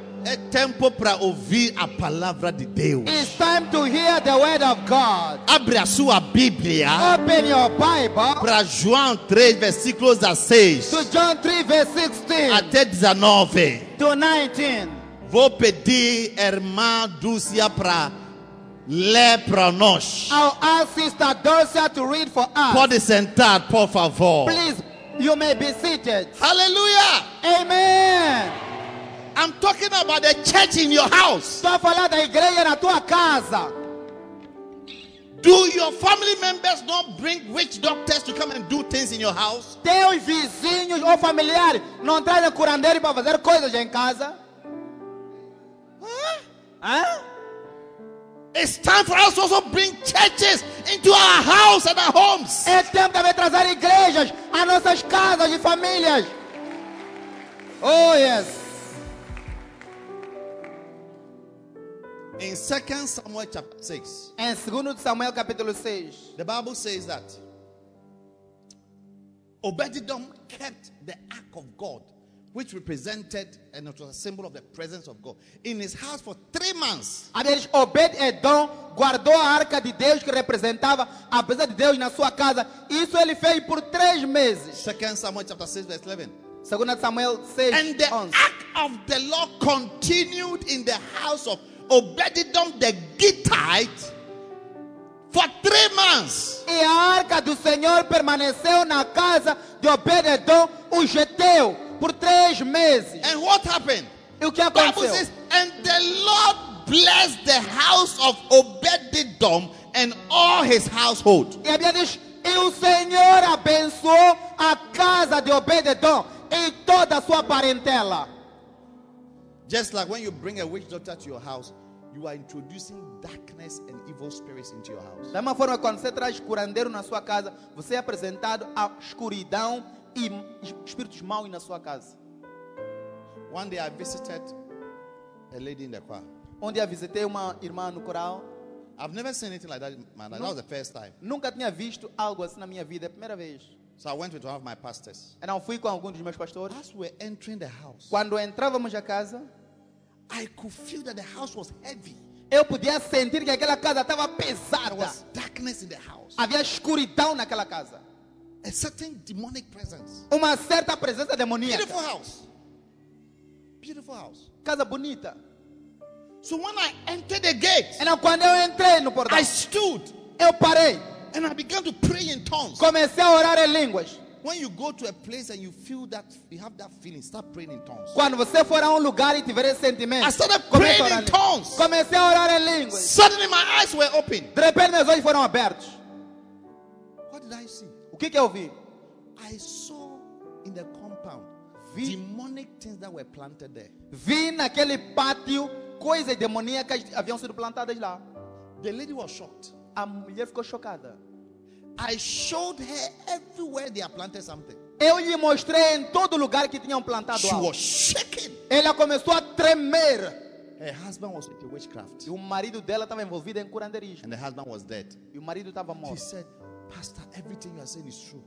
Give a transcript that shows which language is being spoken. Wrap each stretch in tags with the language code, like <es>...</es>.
<pt>é tempo para ouvir a palavra de Deus.</pt> <en>It's time to hear the word of God.</en> <pt>Abre a sua Bíblia.</pt> <en>Open your Bible.</en> <pt>Para João 3, versículos 16.</pt> <en>To John 3, verse 16.</en> <pt>Até 19.</pt> <en>To 19.</en> <pt>Vou pedir irmã Dúcia para ler para nós.</pt> <en>I'll ask Sister Dúcia to read for us.</en> <pt>Pode sentar, por favor.</pt> <en>Please. You may be seated. Hallelujah. Amen. I'm talking about the church in your house.</en> <pt>Estou falando da igreja na tua casa.</pt> <en>Do your family members not bring witch doctors to come and do things in your house?</en> <pt>Teus vizinhos ou familiares não trazem curandeiros para fazer coisas em casa?</pt> <en>It's time for us to also bring churches into our house and our homes.</en> <pt>É tempo de trazer igrejas às nossas casas e famílias.</pt> <en>Oh yes. In 2 Samuel chapter 6.</en> <pt>Em 2 Samuel capítulo 6.</pt> <en>The Bible says that Obed-Edom kept the ark of God, which represented and it was a symbol of the presence of God, in his house for 3 months.</en> <pt>Aliás, Obed-Edom guardou a arca de Deus que representava a presença de Deus na sua casa. Isso ele fez por 3 meses.</pt> <en>2 Samuel chapter 6 verse 11. 2 Samuel 6 and the 11. Ark of the Lord continued in the house of Obed-Edom the Gittite for 3 months.</en> <pt>E a arca do Senhor permaneceu na casa de Obed-Edom o Geteu por 3 meses.</pt> <en>And what happened?</en> <pt>O que aconteceu?</pt> <en>Bible says, and the Lord blessed the house of Obed-Edom and all his household.</en> <pt>E a Bíblia diz, e o Senhor abençoou a casa de Obed-Edom e toda a sua parentela.</pt> <en>Just like when you bring a witch doctor to your house, you are introducing darkness and evil spirits into your house.</en> <pt>Da mesma forma, quando você traz curandeiro na sua casa, você é apresentado à escuridão e espíritos maus na sua casa.</pt> <en>One day I visited a lady in the choir.</en> <pt>Onde eu visitei uma irmã no coral.</pt> <en>I've never seen anything like that in my life. That was the first time.</en> <pt>Nunca tinha visto algo assim na minha vida, é a primeira vez.</pt> <en>So I went with one of my pastors.</en> <pt>And eu fui com algum dos meus pastores.</pt> <en>As we were entering the house,</en> <pt>quando entrávamos na casa,</pt> <en>I could feel that the house was heavy.</en> <pt>Eu podia sentir que aquela casa estava pesada.</pt> <en>There was darkness in the house.</en> <pt>Havia escuridão naquela casa.</pt> <en>A certain demonic presence.</en> <pt>Uma certa presença demoníaca.</pt> <en>Beautiful house. Beautiful house.</en> <pt>Casa bonita.</pt> <en>So when I entered the gate,</en> <pt>and quando eu entrei no portão,</pt> <en>I stood.</en> <pt>Eu parei.</pt> <en>And I began to pray in tongues.</en> <pt>Comecei a orar em línguas.</pt> <en>When you go to a place and you feel that, you have that feeling, start praying in tongues.</en> <pt>Quando você for a lugar e tiver esse sentimento,</pt> <en>I started praying in tongues.</en> <pt>Comecei a orar em línguas.</pt> <en>Suddenly my eyes were open.</en> <pt>De repente meus olhos foram abertos.</pt> <en>What did I see?</en> <pt>O que eu vi?</pt> <en>I saw in the compound demonic things that were planted there.</en> <pt>Vi naquele pátio coisas demoníacas que haviam sido plantadas lá.</pt> <en>The lady was shocked.</en> <pt>A mulher ficou chocada.</pt> <en>I showed her everywhere they had planted something.</en> <pt>Eu lhe mostrei em todo lugar que tinham plantado</pt> <en>algo. She was shaking.</en> <pt>Ela começou a tremer.</pt> <en>Her husband was into witchcraft.</en> <pt>E o marido dela estava envolvido em curanderismo.</pt> <en>And the husband was dead.</en> <pt>E o marido estava morto.</pt> <en>She said, "Pastor, everything you are saying is true."</en>